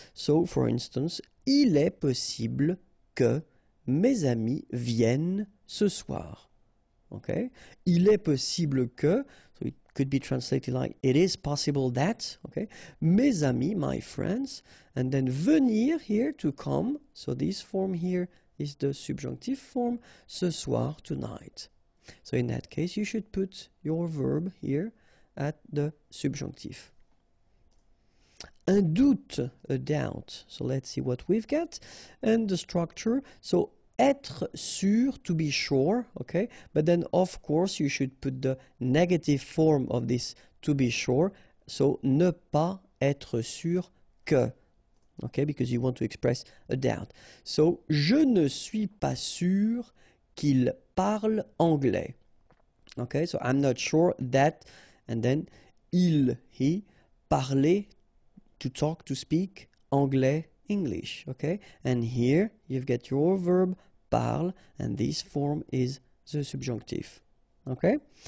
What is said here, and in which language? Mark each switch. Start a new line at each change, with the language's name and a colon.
English: So, for instance,
French: il est possible que mes amis viennent ce soir.
English: Okay,
French: il est possible que,
English: so it could be translated like, it is possible that, okay,
French: mes amis,
English: my friends, and then venir here, to come, so this form here is the subjonctive form,
French: ce soir,
English: tonight. So in that case, you should put your verb here at the subjonctif.
French: Un doute,
English: a doubt, so let's see what we've got, and the structure, so être sûr, to be sure, okay? But then, of course, you should put the negative form of this to be sure.
French: So, ne pas être sûr que, okay?
English: Because you want to express a doubt.
French: So, je ne suis pas sûr qu'il parle anglais.
English: Okay, so I'm not sure that, and then, il, he, parler, to talk, to speak, anglais, English, okay? And here you've got your verb parle, and this form is the subjonctif. Okay?